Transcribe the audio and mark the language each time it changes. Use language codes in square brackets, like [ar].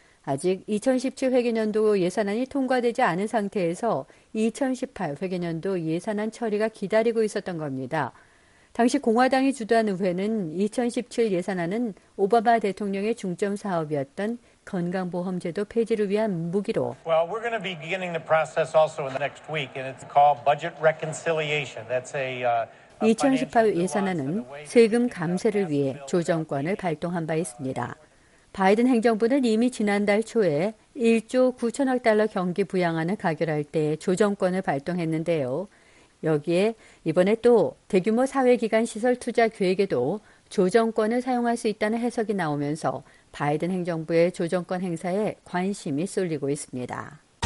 [ko] 아직 2017 회계연도 예산안이 통과되지 않은 상태에서 2018 회계연도 예산안 처리가 기다리고 있었던 겁니다. 당시 공화당이 주도한 의회는 2017 예산안은 오바마 대통령의 중점 사업이었던 건강보험 제도 폐지를 위한 무기로 [en] Well, we're going to be beginning the process also in the next week and it's called budget reconciliation. That's a [ko] 2018 예산안은 세금 감세를 위해 조정권을 발동한 바 있습니다. 바이든 행정부는 이미 지난달 초에 1조 9천억 달러 경기 부양안을 가결할 때 조정권을 발동했는데요. 여기에 이번에 또 대규모 사회기관 시설 투자 계획에도 조정권을 사용할 수 있다는 해석이 나오면서 바이든 행정부의 조정권 행사에 관심이 쏠리고 있습니다.